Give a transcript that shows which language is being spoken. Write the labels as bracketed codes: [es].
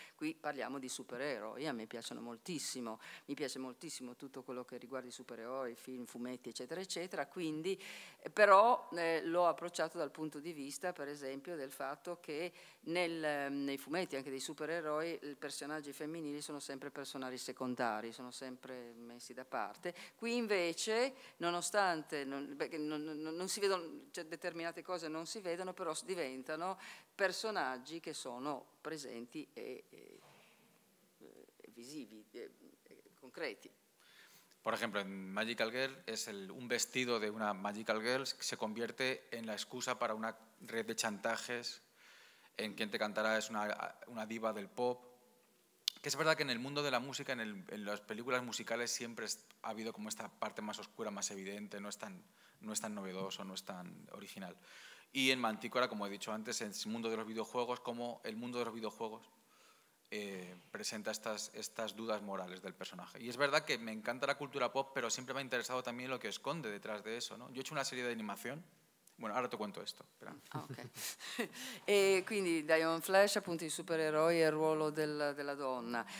[it] Qui parliamo di supereroi, a me piacciono moltissimo, mi piace moltissimo tutto quello che riguarda i supereroi, film, fumetti, eccetera eccetera, quindi però l'ho approcciato dal punto di vista, per esempio, del fatto che nei fumetti anche dei supereroi i personaggi femminili sono sempre personaggi secondari, sono sempre messi da parte. Qui invece, nonostante non si vedono, cioè, determinate cose non si vedono, però diventano personaggi che sono presenti e visivi e concreti. [es] Por ejemplo, en Magical Girl es un vestido de una Magical Girl que se convierte en la excusa para una red de chantajes. En Quien te cantará es una diva del pop. Que es verdad que en el mundo de la música, en las películas musicales, siempre ha habido como esta parte más oscura, más evidente, no es tan novedoso, no es tan original. Y en Manticora, como he dicho antes, en el mundo de los videojuegos, como el mundo de los videojuegos. Presenta estas dudas morales del personaje. Y es verdad que me encanta la cultura pop, pero siempre me ha interesado también lo que esconde detrás de eso, ¿no? Yo he hecho una serie de animación. Bueno, ahora te cuento esto. Okay. [it] E quindi Diamond Flash, appunto, i supereroi e il ruolo della donna.